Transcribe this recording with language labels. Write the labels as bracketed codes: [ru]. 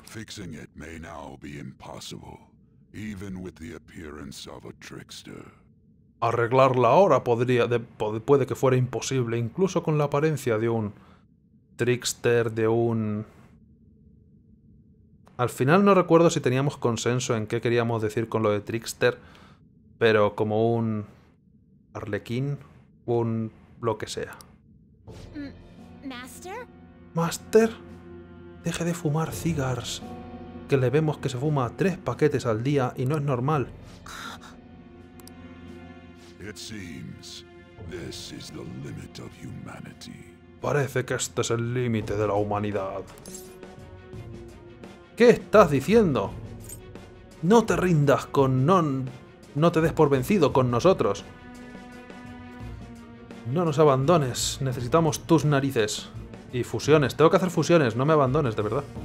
[en] Fixing it may now be impossible, even with the appearance of a trickster. [es] Arreglarla ahora puede que fuera imposible, incluso con la apariencia de un trickster, de un... Al final no recuerdo si teníamos consenso en qué queríamos decir con lo de trickster, pero como un arlequín, un lo que sea. ¿Master? ¿Master? Deje de fumar cigars, que le vemos que se fuma 3 paquetes al día y no es normal. [en] It seems this is the limit of humanity. [es] Parece que este es el límite de la humanidad. ¿Qué estás diciendo? No te rindas con non... No te des por vencido con nosotros. No nos abandones. Necesitamos tus narices. Y fusiones. Tengo que hacer fusiones. No me abandones, de verdad.